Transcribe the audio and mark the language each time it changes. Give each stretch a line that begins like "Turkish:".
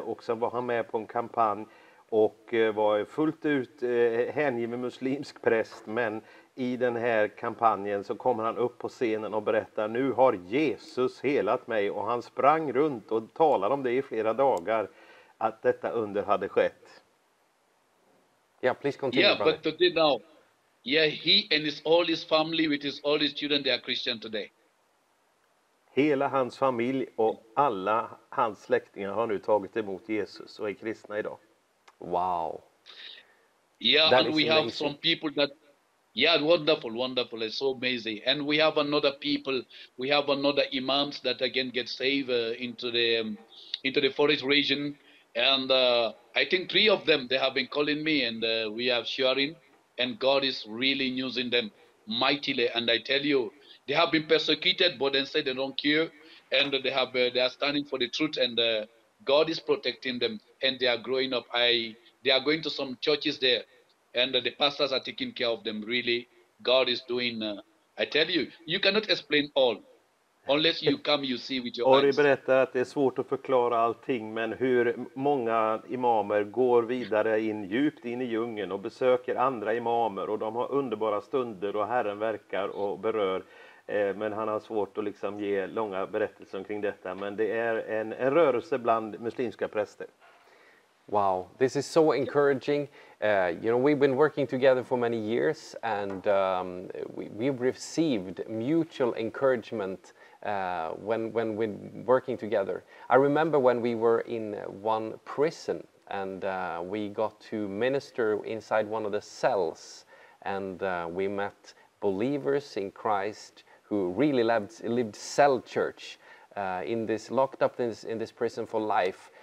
Swedish: Och sen var han med på en kampanj och var fullt ut hängiven muslimsk präst. Men i den här kampanjen så kommer han upp på scenen och berättar: "Nu har Jesus helat mig." Och han sprang runt och talade om det i flera dagar, att detta under hade skett.
English: Yeah, please continue. Yeah, brother. But today now, yeah, he and his all his family with his all his children, they are Christian today.
Swedish: Hela hans familj och alla hans släktingar har nu tagit emot Jesus och är kristna idag.
English: Wow. Yeah, that and we amazing. Have some people that, yeah, wonderful, wonderful, it's so amazing. And we have another people, we have another imams that again get saved into the forest region. And I think three of them, they have been calling me and we are sharing, and God is really using them mightily. And I tell you, they have been persecuted, but they say they don't care. And they are standing for the truth, and God is protecting them, and they are growing up. They are going to some churches there, and the pastors are taking care of them. Really, God is doing, I tell you, you cannot explain all. Unless you come, you see with your eyes.
Swedish: Ari berättar att det är svårt att förklara allting, men hur många imamer går vidare in djupt in i djungeln och besöker andra imamer, och de har underbara stunder och Herren verkar och berör. Men han har svårt att liksom ge långa berättelser kring detta. Men det är en rörelse bland muslimska präster.
English: Wow, this is so encouraging. You know, we've been working together for many years, and we've received mutual encouragement when we're working together. I remember when we were in one prison, and we got to minister inside one of the cells, and we met believers in Christ who really lived cell church in this locked up in this prison for life.